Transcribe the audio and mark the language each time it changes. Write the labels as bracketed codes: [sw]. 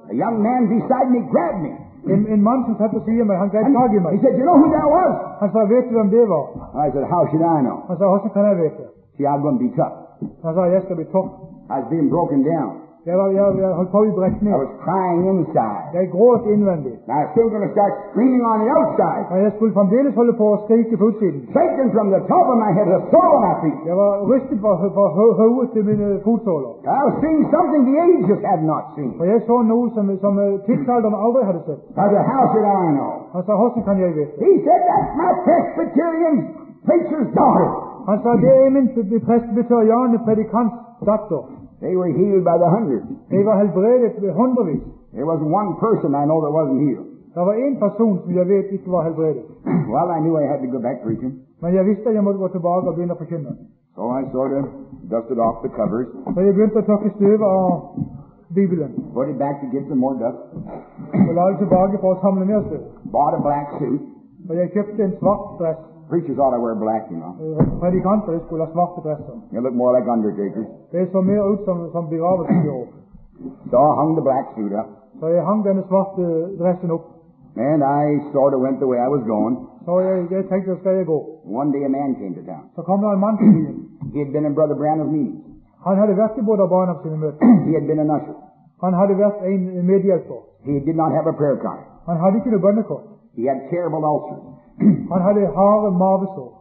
[en] A young man beside me grabbed me. [no] En mann som satt på siden av meg, han grep tak i meg. [en] He said, you know who that was? [no] Han sa, vet du hvem det var? [en] I said, how should I know? [no] Han sa, hvordan kan jeg vite? [en] See, I'm going to be tough. [no] Han sa, jeg skal bli tok. [en] I was being broken down. [no] Jeg holdt på å brekke ned. [en] I was crying inside. [no] Jeg gråt innvendig. [en] And I was still going to start screaming on the outside. [no] Og jeg skulle fremdeles holde på å skrike på utsiden. [en] Shaken from the top of my head to the sole of my feet. [no] Jeg var rystet fra hodet til mine fotsåler. [en] I was seeing something the ages had not seen. [no] Og jeg så noe som tidsalderen aldri hadde sett. [en] I said, how should I know? [no] Han sa, hvordan kan jeg vite? [en] He said, that's my Presbyterian preacher's daughter. [no] Han sa, det min presbyterianske predikants datter. [en] They were healed by the hundreds. [no] De var helbredet ved hundrevis. [en] There wasn't one person I know that wasn't healed. [no] Det var en person som jeg vet ikke var helbredet. [en] Well, I knew I had to go back preaching. [no] Men jeg visste jeg måtte gå tilbake og begynne å forkynne. [en] So I sort of dusted off the covers. [no] Så jeg begynte å tørke støv av Bibelen. [en] Put it back to get some more dust. [no] Og la det tilbake for å samle mer støv. [en] Bought a black suit. [no] Og jeg kjøpte en svart dress. [en] Preachers ought to wear black, you know. [no] Predikanter skulle ha svarte dresser. [en] You look more like undertakers. [no] Det så mer ut som begravelsesbyrå. [en] So I hung the black suit up. [no] Så jeg hang denne svarte dressen opp. [en] And I sort of went the way I was going. [no] Så jeg tenkte, skal jeg gå? [en] One day a man came to town. [no] Så kom en mann til byen. [en] He had been in Brother Branham's meetings. [no] Han hadde vært i Brother Branham's møter. [en] He had been an usher. [no] Han hadde vært en medhjelper. [en] He did not have a prayer card. [no] Han hadde ikke noe bønnekort. [en] He had terrible ulcers. [no] Han hadde harde mavesår.